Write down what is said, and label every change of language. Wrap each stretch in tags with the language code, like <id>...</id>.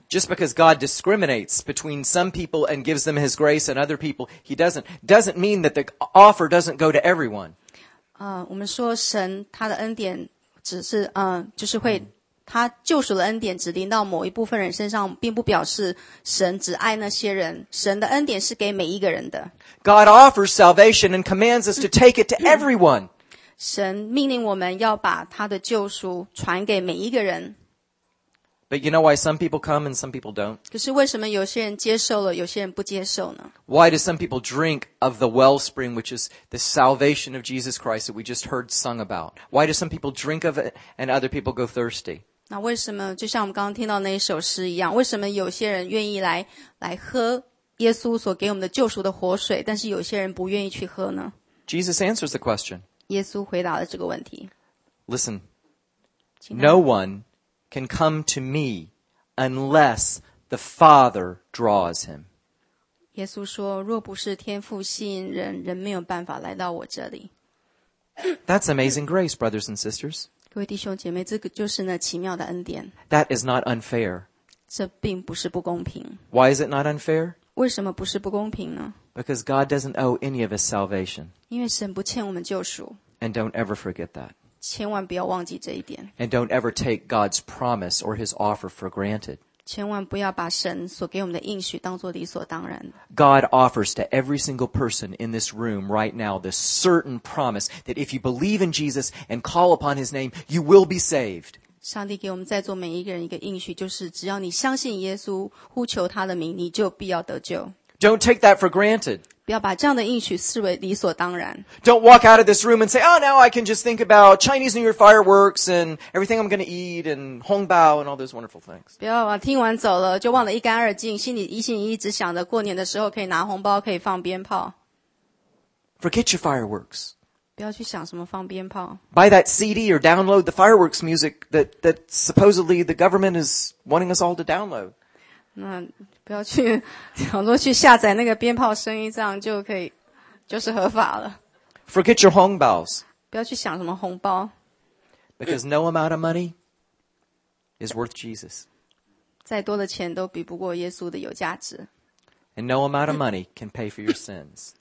<en>Just because God discriminates between some people and gives them his grace and other people, he doesn't mean that the offer doesn't go to everyone.</en> <zh>我们说神他的恩典只是就是会他救赎的恩典只临到某一部分人身上并不表示神只爱那些人。神的恩典是给每一个人的。</zh> <en>God offers salvation and commands us to take it to everyone.</en> <zh>神命令我们要把他的救赎传给每一个人。</zh> <en>But you know why some people come and some people don't?</en> <zh>可是为什么有些人接受了，有些人不接受呢？</zh> <en>Why do some people drink of the wellspring, which is the salvation of Jesus Christ that we just heard sung about? Why do some people drink of it and other people go thirsty?</en> <zh>那为什么就像我们刚刚听到那一首诗一样，为什么有些人愿意来喝耶稣所给我们的救赎的活水，但是有些人不愿意去喝呢？</zh> <en>Jesus answers the question.</en> <zh>耶稣回答了这个问题。</zh> <en>Listen, no one can come to me unless the Father draws him.</en> <zh>耶稣说，若不是天父吸引人，人没有办法来到我这里。</zh> <en>That's amazing grace, brothers and sisters.</en> <zh>各位弟兄姐妹，这个就是那奇妙的恩典。</zh> <en>That is not unfair.</en> <zh>这并不是不公平。</zh> <en>Why is it not unfair?</en> <zh>为什么不是不公平呢？</zh> <en>Because God doesn't owe any of us salvation.</en> <zh>因为神不欠我们救赎。</zh> <en>And don't ever forget that.</en> <zh>千万不要忘记这一点。</zh> <en>And don't ever take God's promise or His offer for granted.</en> <zh>千万不要把神所给我们的应许当作理所当然。</zh> <en>God offers to every single person in this room right now the certain promise that if you believe in Jesus and call upon His name, you will be saved.</en> <zh>上帝给我们在座每一个人一个应许，就是只要你相信耶稣，呼求他的名，你就必要得救。</zh> <en>Don't take that for granted.</en> <zh>不要把这样的应许视为理所当然。</zh> <en>Don't walk out of this room and say, oh, now I can just think about Chinese New Year fireworks and everything I'm going to eat and Hongbao and all those wonderful things.</en> <zh>不要啊，听完走了，就忘了一干二净，心里一心一意只想着过年的时候可以拿红包，可以放鞭炮。</zh> <en>Forget your fireworks.</en> <zh>不要去想什么放鞭炮。</zh> <en>Buy that CD or download the fireworks music that supposedly the government is wanting us all to download.</en> <zh>那不要去，倘若去下载那个鞭炮声音，这样就可以，就是合法了。</zh> <en>Forget your hongbaos.</en> <zh>不要去想什么红包。</zh> <en>Because no amount of money is worth Jesus.</en> <zh>再多的钱都比不过耶稣的有价值。</zh> <en>And no amount of money can pay for your sins.</en>